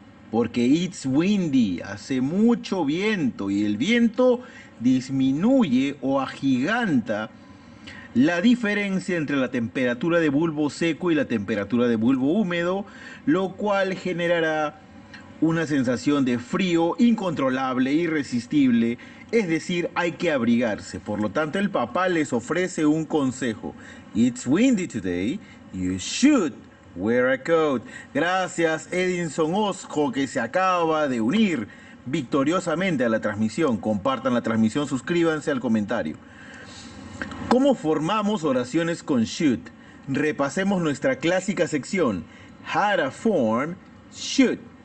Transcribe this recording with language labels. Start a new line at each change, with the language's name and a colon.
Spanish: Porque
English: it's windy,
Spanish: hace mucho viento y el viento disminuye o agiganta la diferencia entre la temperatura de bulbo seco y la temperatura de bulbo húmedo, lo cual generará una sensación de frío incontrolable, irresistible. Es decir, hay que abrigarse. Por lo tanto, el papá les ofrece un consejo.
English: It's windy today, you should wear a coat.
Spanish: Gracias, Edinson Osco, que se acaba de unir victoriosamente a la transmisión. Compartan la transmisión, suscríbanse al comentario. ¿Cómo formamos oraciones con should? Repasemos nuestra clásica sección,
English: How to form should.